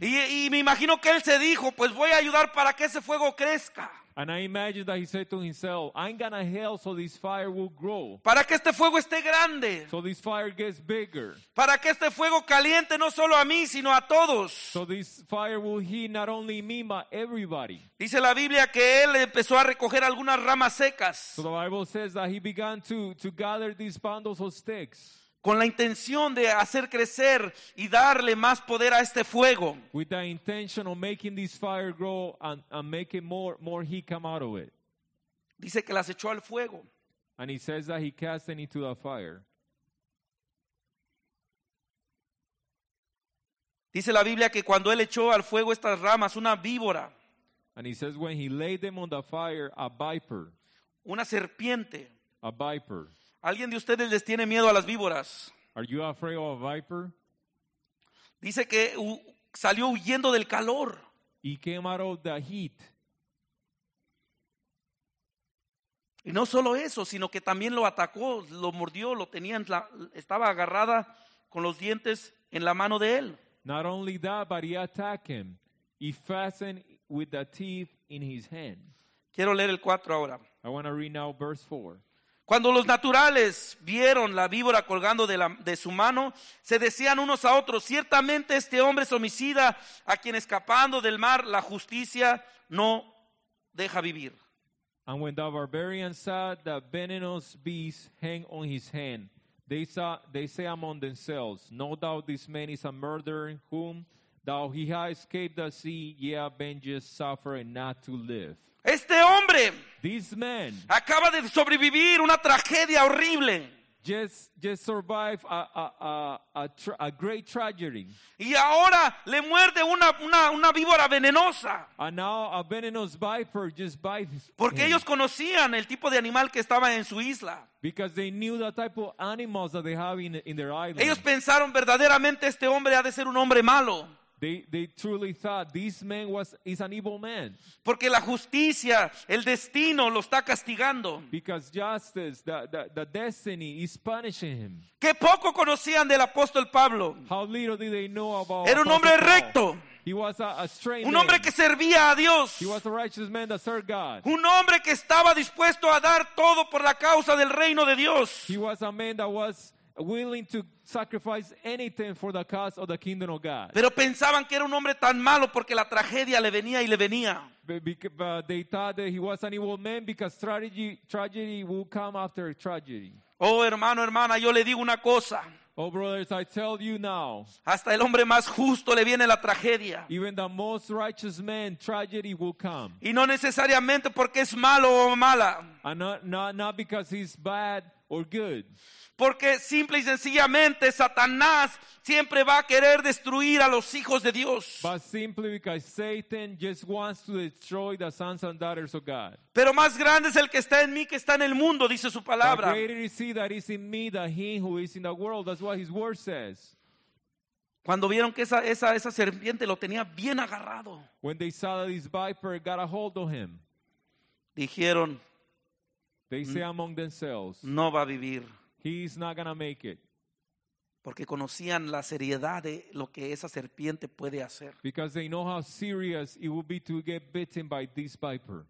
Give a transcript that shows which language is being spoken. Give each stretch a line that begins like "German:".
Spanish: Y me imagino que él se dijo, pues voy a ayudar para que ese fuego crezca.
English: And I imagine that he said to himself, I'm going to help so this fire will grow.
Spanish: Para que este fuego esté grande.
English: So this fire gets bigger.
Spanish: Para que este fuego caliente no solo a mí, sino a todos.
English: So this fire will heat not only me, but everybody.
Spanish: Dice la Biblia que él empezó a recoger algunas ramas secas.
English: So the Bible says that he began to gather these bundles of sticks.
Spanish: Con la intención de hacer crecer y darle más poder a este fuego.
English: With the intention of making this fire grow and making more heat come out of it.
Spanish: Dice que las echó al fuego.
English: And he says that he cast them into the fire.
Spanish: Dice la Biblia que cuando él echó al fuego estas ramas, una víbora.
English: And he says when he laid them on the fire, a viper.
Spanish: Una serpiente.
English: A viper.
Spanish: ¿Alguien de ustedes les tiene miedo a las víboras?
English: Are you afraid of a viper?
Spanish: Dice que salió huyendo del calor.
English: He came out of the heat.
Spanish: Y no solo eso, sino que también lo atacó, lo mordió, lo tenía en la, estaba agarrada con los dientes en la mano de él.
English: Not only that, but he attacked him. He fastened with the teeth in his hand.
Spanish: Quiero leer el 4 ahora.
English: I want to read now verse 4.
Spanish: Cuando los naturales vieron la víbora colgando de su mano, se decían unos a otros: ciertamente este hombre es homicida, a quien escapando del mar la justicia no deja vivir.
English: And when the barbarian saw the venomous beast hang on his hand, they say among themselves, no doubt this man is a murderer whom, though he has escaped the sea, yet vengeance suffer and not to live.
Spanish: Este hombre,
English: this man,
Spanish: acaba de sobrevivir una tragedia horrible.
English: Just survived a great tragedy.
Spanish: Y ahora le muerde una víbora venenosa.
English: And now a venomous viper just bites.
Spanish: Porque ellos conocían el tipo de animal que estaba en su isla.
English: Because they knew the type of animals that they have in their island.
Spanish: Ellos pensaron: verdaderamente este hombre ha de ser un hombre malo.
English: They truly thought this man is an evil man.
Spanish: Porque la justicia, el destino lo está castigando.
English: Because justice, the destiny is punishing him.
Spanish: Qué poco conocían del apóstol Pablo.
English: How little did they know about?
Spanish: Era un hombre recto.
English: He was a straight
Spanish: un hombre
English: man.
Spanish: Que servía a Dios.
English: He was a righteous man that served God.
Spanish: Un hombre que estaba dispuesto a dar todo por la causa del reino de Dios.
English: He was a man that was willing to sacrifice anything for the cause of the kingdom of God.
Spanish: Pero pensaban que era un hombre tan malo porque la tragedia le venía y le venía.
English: But they thought that he was an evil man because tragedy will come after tragedy.
Spanish: Oh, hermano, hermana, yo le digo una cosa.
English: Oh, brothers, I tell you now.
Spanish: Hasta el hombre más justo le viene la tragedia.
English: Even the most righteous man, tragedy will come.
Spanish: Y no necesariamente porque es malo o mala.
English: And not because he's bad or good.
Spanish: Porque simple y sencillamente Satanás siempre va a querer destruir a los hijos de Dios.
English: But simply because Satan just wants to destroy the sons and daughters of God.
Spanish: Pero más grande es el que está en mí que está en el mundo, dice su palabra.
English: But greater is he that is in me than he who is in the world. That's what his word says.
Spanish: Cuando vieron que esa serpiente lo tenía bien agarrado.
English: When they saw that this viper got a hold of him.
Spanish: Dijeron.
English: They say among themselves.
Spanish: No va a vivir.
English: He's not gonna make it.
Spanish: Porque conocían la seriedad de lo que esa serpiente puede hacer.
English: Because they know how serious it would be to get bitten by this viper.